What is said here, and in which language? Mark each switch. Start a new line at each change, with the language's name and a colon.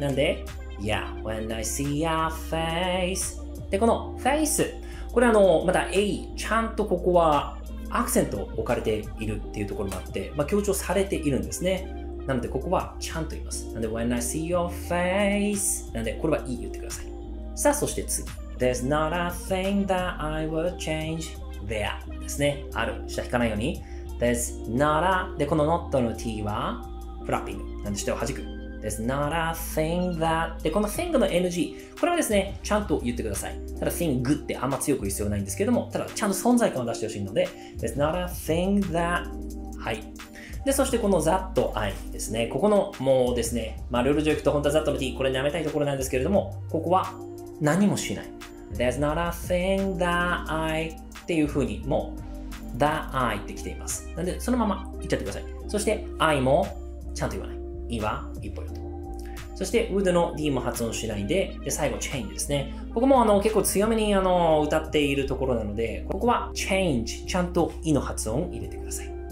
Japanese: なんで
English: Yeah When I see your face
Japanese: で、この Face、 これまた A ちゃんとここはアクセントを置かれているっていうところもあって、まあ、強調されているんですね。なのでここはちゃんと言います。なので
English: When I see your face、
Japanese: なのでこれはいい言ってください。さあそして次
English: There's not a thing that I would change there
Japanese: ですね。ある、下引かないように。
English: There's not a、
Japanese: でこの not の t はフラッピング、なんで下を弾く。
English: There's not a thing that、
Japanese: でこの thing の ng、 これはですねちゃんと言ってください。ただ thing ってあんま強く言う必要ないんですけども、ただちゃんと存在感を出してほしいので、
English: There's not a thing that、
Japanese: はい。でそしてこの that I ですね、ここのもうですね、まあルール上いくと本当は that の t、 これなめたいところなんですけれども、ここは何もしない。
English: There's not a thing that I
Japanese: っていう風にもう that I ってきています。なんでそのまま言っちゃってください。そして I もちゃんと言わない、 I は一歩よと。そして、would の d も発音しないで、で最後、change ですね。ここも結構強めに歌っているところなので、ここは change、ちゃんと e の発音を入れてください。